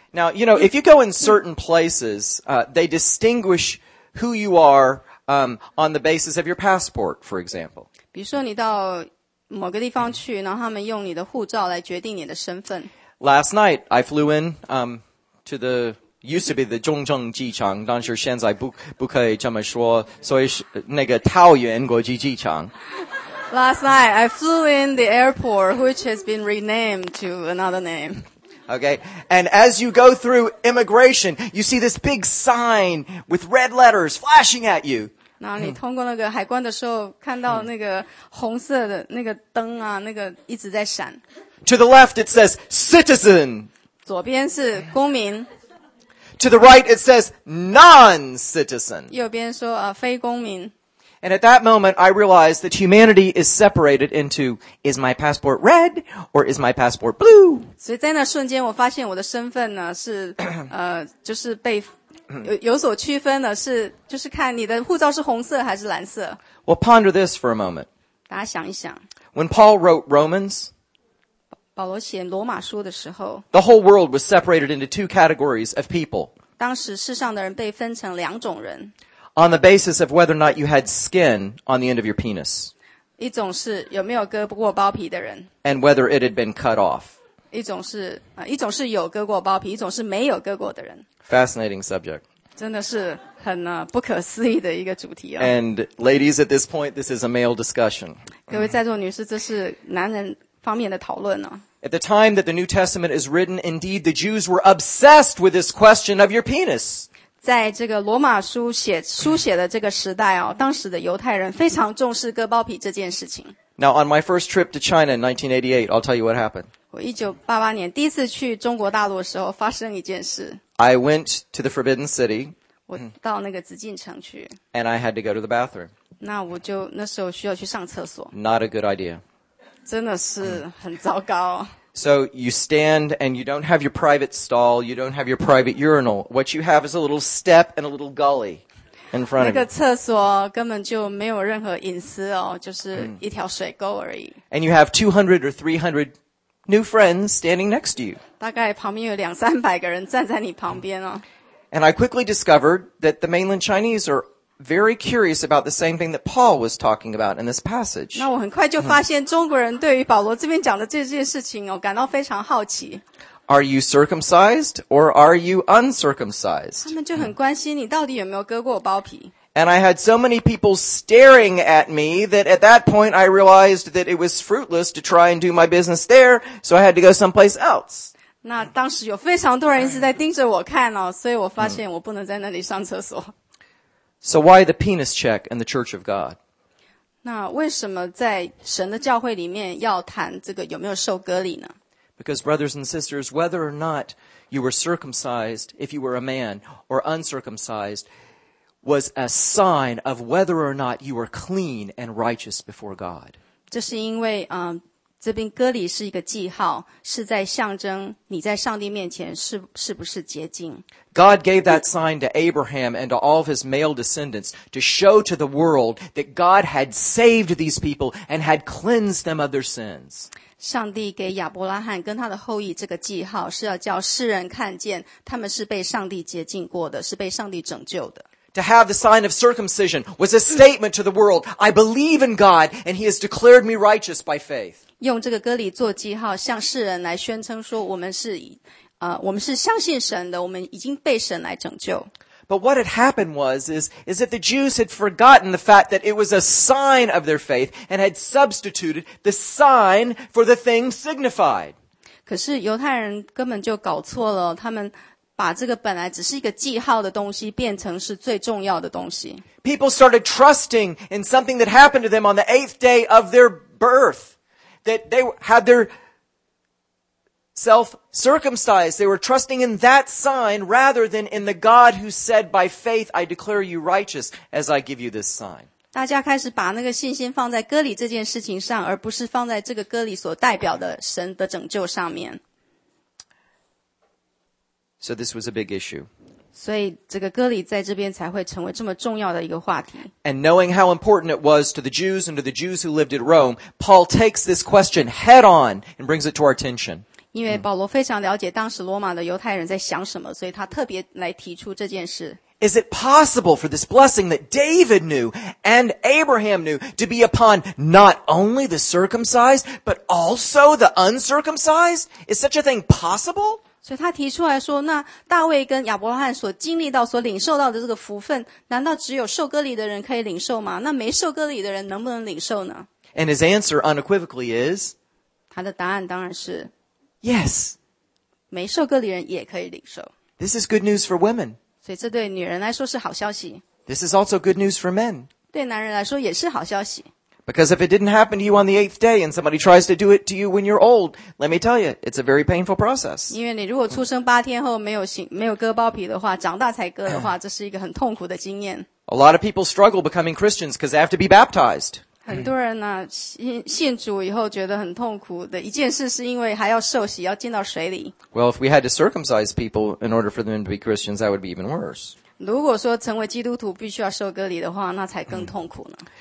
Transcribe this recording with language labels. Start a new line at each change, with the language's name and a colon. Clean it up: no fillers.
English: Now, you know, if you go in certain places, they distinguish who you are on the basis of your passport, for example.
Chinese: 比如说你到某个地方去，然后他们用你的护照来决定你的身份。
English: Last night I flew in to the used to be the
Chinese: 中正机场，但是现在不可以这么说，所以那个桃园国际机场。
English: Last night I flew in the airport, which has been renamed to another name. Okay, and as you go through immigration, you see this big sign with red letters flashing at you.
Chinese: 然后你通过那个海关的时候，看到那个红色的那个灯啊，那个一直在闪。
English: To the left, it says citizen.
Chinese: 左边是公民。
English: To the right, it says non-citizen.
Chinese: 右边说非公民。
English: And at that moment, I realized that humanity is separated into is my passport red or is my passport blue?
Chinese: 所以在那瞬间，我发现我的身份呢是就是被。有所区分的是就是看你的护照是红色还是蓝色。
English: Well, ponder this for a moment.
Chinese: 大家想一想。
English: When Paul wrote Romans,
Chinese: 保罗写罗马书的时候
English: the whole world was separated into two categories of people.
Chinese: 当时世上的人被分成两种人。
English: On the basis of whether or not you had skin on the end of your penis.
Chinese: 一种是有没有割过包皮的人。
English: And whether it had been cut off.
Chinese: 一种是有割过包皮，一种是没有割过的人。
English: Fascinating subject.
Chinese: 真的是很不可思议的一个主题啊。
English: And ladies, at this point, this is a male discussion.
Chinese: 各位在座女士，这是男人方面的讨论啊。
English: At the time that the New Testament is written, indeed, the Jews were obsessed with this question of your penis.
Chinese: 在这个罗马书写的这个时代啊，当时的犹太人非常重视割包皮这件事情。
English: Now, on my first trip to China in 1988, I'll tell you what happened.
Chinese: 我1988年第一次去中国大陆的时候发生一件事。
English: I went to the Forbidden City.
Chinese: 我到那个紫禁城去。
English: And I had to go to the bathroom.
Chinese: 那我就那时候需要去上厕所。
English: Not a good idea.
Chinese: 真的是很糟糕。
English: So you stand and you don't have your private stall, you don't have your private urinal. What you have is a little step and a little gully in front of you.
Chinese: 那个厕所根本就没有任何隐私哦，就是一条水沟而已。
English: And you have 200 or 300New friends standing next to you.
Chinese: 大概旁边有两三百个人站在你旁边哦。
English: And I quickly discovered that the mainland Chinese are very curious about the same thing that Paul was talking about in this passage.
Chinese: 那我很快就发现中国人对于保罗这边讲的这件事情哦，感到非常好奇。
English: Are you circumcised or are you uncircumcised?
Chinese: 他们就很关心你到底有没有割过包皮。
English: And I had so many people staring at me that at that point I realized that it was fruitless to try and do my business there, so I had to go someplace else.
Chinese: 那当时有非常多人一直在盯着我看哦，所以我发现我不能在那里上厕所。
English: So why the penis check in the Church of God?
Chinese: 那为什么在神的教会里面要谈这个有没有受割礼呢？
English: Because brothers and sisters, whether or not you were circumcised, if you were a man, or uncircumcised, was a sign of whether or not you were clean and righteous before God.
Chinese: 这是因为这边割礼是一个记号，是在象征你在上帝面前是不是洁净。
English: God gave that sign to Abraham and to all of his male descendants to show to the world that God had saved these people and had cleansed them of their sins.
Chinese: 上帝给亚伯拉罕跟他的后裔这个记号，是要叫世人看见他们是被上帝洁净过的，是被上帝拯救的。
English: To have the sign of circumcision was a statement to the world, I believe in God and he has declared me righteous by faith.
Chinese: 用这个割礼做记号，向世人来宣称说我们是相信神的，我们已经被神来拯救。
English: But what had happened was, is that the Jews had forgotten the fact that it was a sign of their faith and had substituted the sign for the thing signified.
Chinese: 可是犹太人根本就搞错了，他们把这个本来只是一个记号的东西变成是最重要的东西。
English: People started trusting in something that happened to them on the eighth day of their birth. That they had their self circumcised. They were trusting in that sign rather than in the God who said by faith, I declare you righteous as I give you this sign.
Chinese: 大家开始把那个信心放在割礼这件事情上，而不是放在这个割礼所代表的神的拯救上面。
English: So this was a big issue.
Chinese: 所以这个割礼在这边才会成为这么重要的一个话题。
English: And knowing how important it was to the Jews and to the Jews who lived at Rome, Paul takes this question head on and brings it to our attention.
Chinese: 因为保罗非常了解当时罗马的犹太人在想什么，所以他特别来提出这件事。
English: Is it possible for this blessing that David knew and Abraham knew to be upon not only the circumcised, but also the uncircumcised? Is such a thing possible?
Chinese: 所以他提出来说，那大卫跟亚伯拉罕所经历到、所领受到的这个福分，难道只有受割礼的人可以领受吗？那没受割礼的人能不能领受呢？
English: And his answer unequivocally is,
Chinese: 他的答案当然是
English: yes,
Chinese: 没受割礼人也可以领受。
English: This is good news for women.
Chinese: 所以这对女人来说是好消息。
English: This is also good news for men.
Chinese: 对男人来说也是好消息。
English: Because if it didn't happen to you on the eighth day and somebody tries to do it to you when you're old, let me tell you, it's a very painful process.
Chinese: 因为你如果出生八天后没有割包皮的话，长大才割的话，这是一个很痛苦的经验。
English: A lot of people struggle becoming Christians because they have to be baptized.
Chinese: 很多人呢、信主以后觉得很痛苦的一件事是因为还要受洗，要进到水里。
English: Well, if we had to circumcise people in order for them to be Christians, that would be even worse.
Chinese: 如果说成为基督徒必须要受割礼的话，那才更痛苦呢。